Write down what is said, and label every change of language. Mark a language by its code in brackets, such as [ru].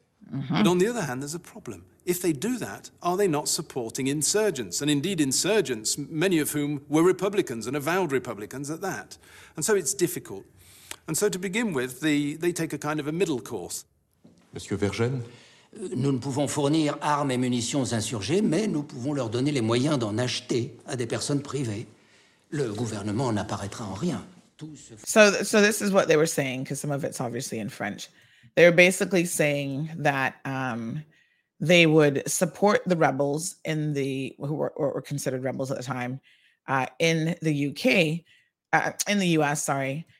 [en] But on the other hand, there's a problem. If they do that, are they not supporting insurgents? And indeed insurgents, many of whom were Republicans and avowed Republicans at that. And so it's difficult. And so to begin with, they take a kind of a middle course. [fr] Monsieur Vergennes? Nous ne pouvons fournir armes et munitions insurgés, mais nous pouvons leur donner les moyens d'en acheter à des personnes privées. Le gouvernement n'apparaîtra en rien. [en] So this is what they were saying, because some of it's obviously in French. They were basically saying that they would support the rebels in the who were considered rebels at the time in the UK, in the US, sorry.